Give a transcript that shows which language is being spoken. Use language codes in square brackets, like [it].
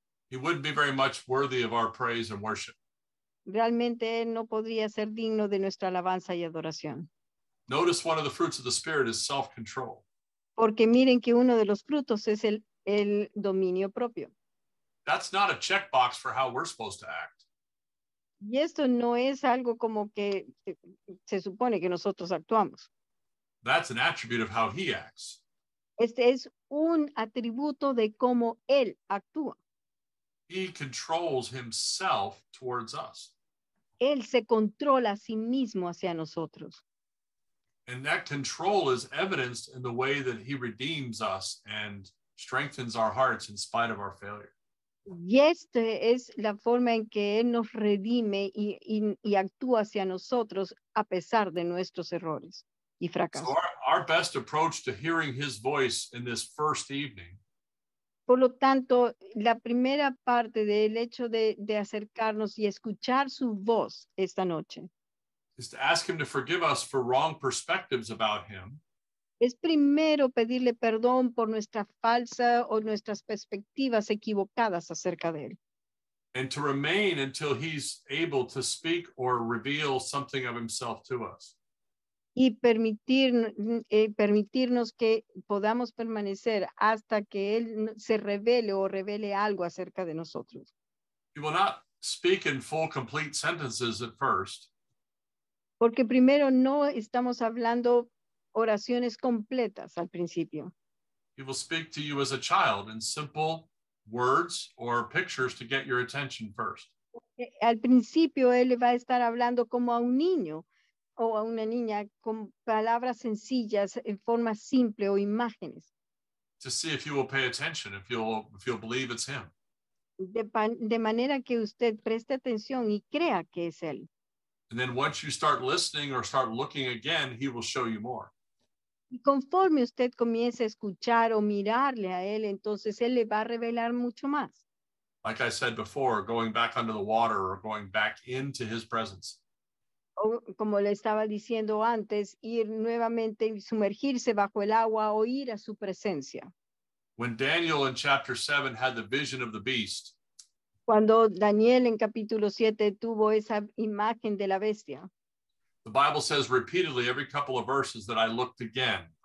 [en] he wouldn't be very much worthy of our praise and worship. [es] Realmente él no podría ser digno de nuestra alabanza y adoración. [en] Notice one of the fruits of the Spirit is self-control. [es] Porque miren que uno de los frutos es el dominio propio. [en] That's not a checkbox for how we're supposed to act. [es] Y esto no es algo como que se supone que nosotros actuamos. [en] That's an attribute of how he acts. [es] Este es un atributo de cómo él actúa. [en] He controls himself towards us. [es] Él se controla a sí mismo hacia nosotros. [en] And that control is evidenced in the way that he redeems us and strengthens our hearts in spite of our failure. [es] Y esta es la forma en que Él nos redime y actúa hacia nosotros a pesar de nuestros errores y fracasos. [en] So our best approach to hearing His voice in this first evening. [es] Por lo tanto, la primera parte del hecho de acercarnos y escuchar su voz esta noche. [en] Is to ask Him to forgive us for wrong perspectives about Him. [es] Es primero pedirle perdón por nuestra falsa o nuestras perspectivas equivocadas acerca de él. [en] And to remain until he's able to speak or reveal something of himself to us. [es] Y permitirnos que podamos permanecer hasta que él se revele o revele algo acerca de nosotros. [en] He will not speak in full complete sentences at first. [es] Porque primero no estamos hablando oraciones completas al principio. [en] He will speak to you as a child in simple words or pictures to get your attention first. [es] Al principio él va a estar hablando como a un niño o a una niña con palabras sencillas en forma simple o imágenes. [en] To see if you will pay attention, if you'll believe it's him. [es] De manera que usted preste atención y crea que es él. [en] And then once you start listening or start looking again, he will show you more. [es] Y conforme usted comience a escuchar o mirarle a él, entonces él le va a revelar mucho más. [en] Like I said before, going back under the water or going back into his presence. [es] O, como le estaba diciendo antes, ir nuevamente y sumergirse bajo el agua o ir a su presencia. [en] When Daniel in chapter 7 had the vision of the beast. [es] Cuando Daniel en capítulo 7 tuvo esa imagen de la bestia. [en] The Bible says repeatedly every couple of verses that I looked again.